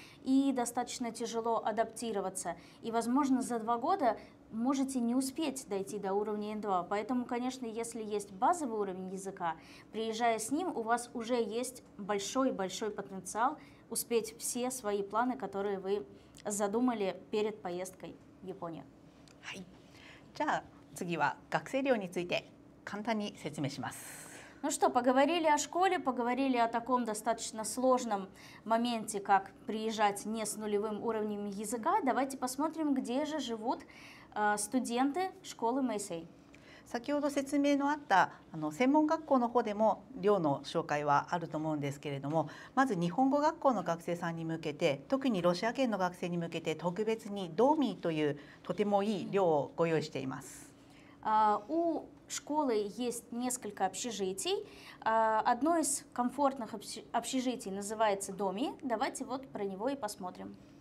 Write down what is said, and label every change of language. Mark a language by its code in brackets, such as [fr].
[ru] и достаточно тяжело адаптироваться, и, возможно, за 2 года можете не успеть дойти до уровня N2, поэтому, конечно, если есть базовый уровень языка, приезжая с ним, у вас уже есть большой-большой потенциал успеть все свои планы, которые вы задумали перед поездкой в Японию. [ja] じゃあ次は学生寮について簡単に説明します。 [ru] Ну что, поговорили о школе, поговорили о таком достаточно сложном моменте, как приезжать не с нулевым уровнем языка. Давайте посмотрим, где же живут студенты школы Мэйсэй. [ja] 先ほど説明のあった、専門学校の方でも寮の紹介はあると思うんですけれども、まず日本語学校の学生さんに向けて、特にロシア系の学生に向けて特別にドーミーというとてもいい寮をご用意しています。 [ru] У школы есть несколько общежитий. Одно из комфортных общежитий называется доми. Давайте вот про него и посмотрим.